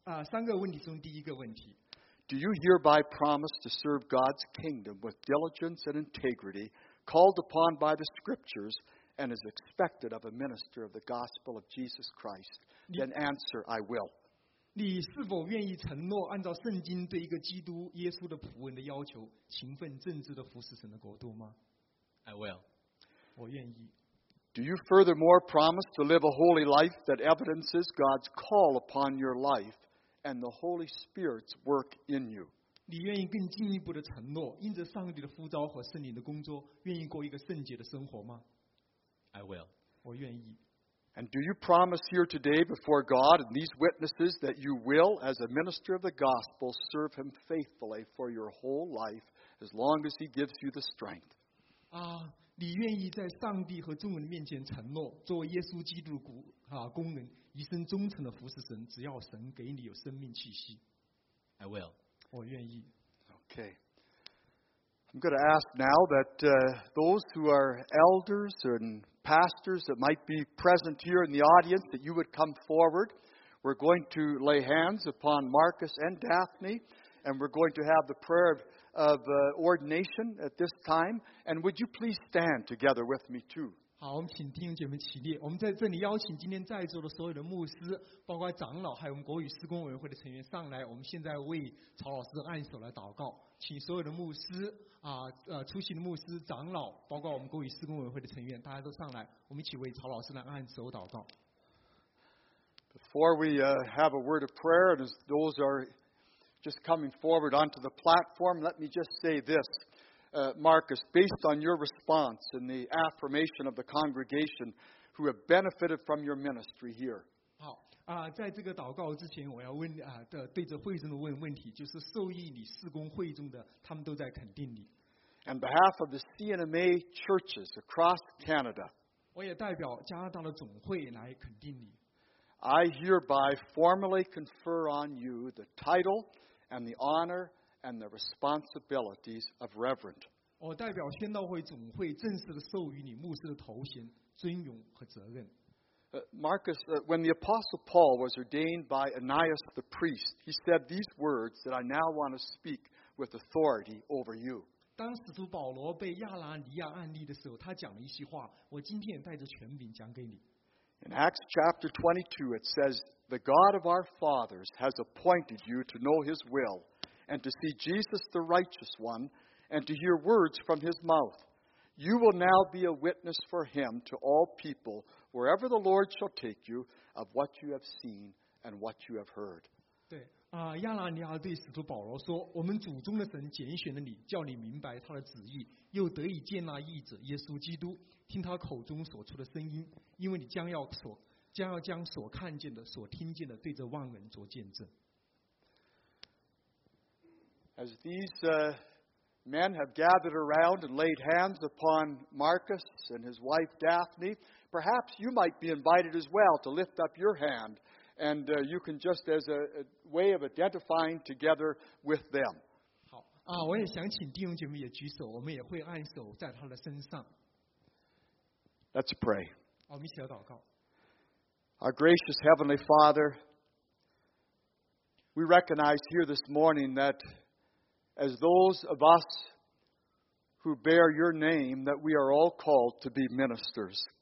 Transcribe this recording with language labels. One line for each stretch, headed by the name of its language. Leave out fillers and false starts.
Chinese: 三个问题中第一个问题。
English: Do you hereby promise to serve God's kingdom with diligence and integrity, called upon by the scriptures, and is expected of a minister of the gospel of Jesus Christ? Then answer, I will.
Chinese: 你是否愿意承诺按照圣经对一个基督耶稣的仆人的要求，勤奋正直的服侍神的国度吗？
English: I will.
Chinese: 我愿意。
English: Do you furthermore promise to live a holy life that evidences God's call upon your life and the Holy Spirit's work in you?
Chinese: 你愿意更进一步的承诺，因着上帝的呼召和圣灵的工作，愿意过一个圣洁的生活吗？
English: I will.
Chinese: 我愿意。
English: And do you promise here today before God and these witnesses that you will, as a minister of the gospel, serve him faithfully for your whole life, as long as he gives you the strength?
Chinese: 你愿意在上帝和众人面前承诺，作为耶稣基督的工人，一生忠诚的服侍神，只要神给你有生命气息。
English: I will.
Chinese: 我愿意。
English: Okay. I'm going to ask now that those who are elders and pastors that might be present here in the audience, that you would come forward. We're going to lay hands upon Marcus and Daphne, and we're going to have the prayer of ordination at this time. And would you please stand together with me too?
Chinese: 好，我们请弟兄姐妹起立。我们在这里邀请今天在座的所有的牧师，包括长老，还有我们国语施工委员会的成员上来。我们现在为曹老师按手来祷告，请所有的牧师出席的牧师、长老，包括我们国语施工委员会的成员，大家都上来，我们一起为曹老师来按手祷告。
English: Before we have a word of prayer, and as those are just coming forward onto the platform, let me just say this. Marcus, based on your response and the affirmation of the congregation who have benefited from your ministry here.
Chinese: 好，在这个祷告之前，我要问对着会众的问题，就是受益你事工会众的，他们都在肯定你。
English: On behalf of the CNMA churches across Canada,
Chinese: 我也代表加拿大的总会来肯定你。
English: I hereby formally confer on you the title and the honor. And the responsibilities of reverend.
Chinese: 我代表宣道会总会正式的授予你牧师的头衔、尊荣和责任。
English: Marcus, when the Apostle Paul was ordained by Ananias the priest, he said these words that I now want to speak with authority over you.
Chinese: 当使徒保罗被亚拿尼亚按立的时候，他讲了一席话，我今天也带着权柄讲给你。
English: In Acts chapter 22, it says, "The God of our fathers has appointed you to know His will." And to see Jesus the righteous one, and to hear words from his mouth. You will now be a witness for him to all people, wherever the Lord shall take you, of what you have seen and what you have heard.
Chinese: 对，亚拿尼亚对使徒保罗说，我们祖宗的神拣选了你，叫你明白他的旨意，又得以见那义者耶稣基督，听他口中所出的声音，因为你将要将所看见的、所听见的，对着万人做见证。
English: As these men have gathered around and laid hands upon Marcus and his wife Daphne, perhaps you might be invited as well to lift up your hand, and you can just as a way of identifying together with them.
Chinese: 好，我也想请弟兄姐妹也举手，我们也会按手在他的身上。
English: Let's pray.
Chinese: 我们一起来祷告。
English: Our gracious Heavenly Father, we recognize here this morning that as those of us who bear your name, that we are all called to be ministers.